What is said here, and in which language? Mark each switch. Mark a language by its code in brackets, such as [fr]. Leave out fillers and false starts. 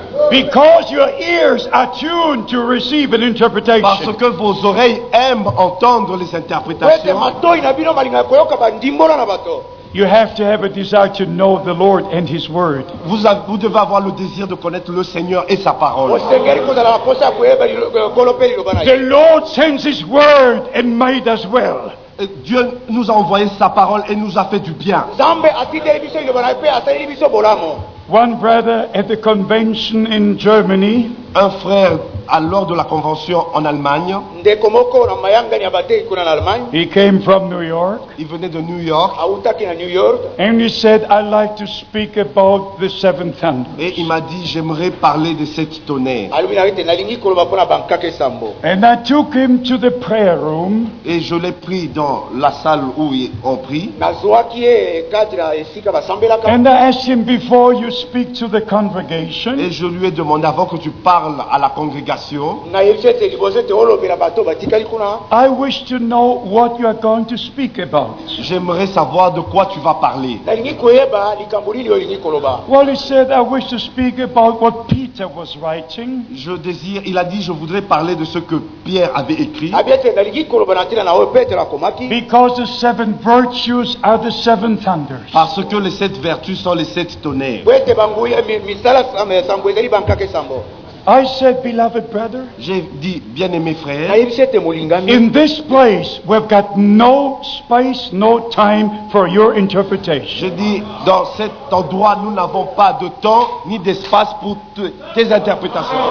[en] Because your ears are tuned to receive an interpretation. [fr] Parce que vos oreilles aiment entendre les interprétations. [en] You have to have a desire to know the Lord and His Word. [fr] Vous devez avoir le désir de connaître le Seigneur et sa parole. [en] The Lord sends His Word and made us well. [fr] Dieu nous a envoyé sa parole et nous a fait du bien. [en] One brother at the convention in Germany. [fr] Un frère lors de la convention en Allemagne. [en] He came from New York. [fr] Il venait de New York. [en] And he said, I'd like to speak about the seven thunders. [fr] Et il m'a dit, j'aimerais parler de sept tonnerres. [en] And I took him to the prayer room. [fr] Et je l'ai pris dans la salle où on prie. [en] And I asked him, before you speak to the congregation. [fr] Et je lui ai demandé, avant que tu parles à la congrégation. [en] I wish to know what you are going to speak about. [fr] J'aimerais savoir de quoi tu vas parler. [en] Well, he said, I wish to speak about what Peter was writing. [fr] Je désire, il a dit, je voudrais parler de ce que Pierre avait écrit. [en] Because the seven virtues are the seven thunders. [fr] Parce que les sept vertus sont les sept tonnerres. [en] I said, beloved brother, [fr] j'ai dit, bien-aimé frère, [en] in this place, we've got no space, no time for your interpretation. [fr] Je dis, dans cet endroit, nous n'avons pas de temps ni d'espace pour tes interprétations.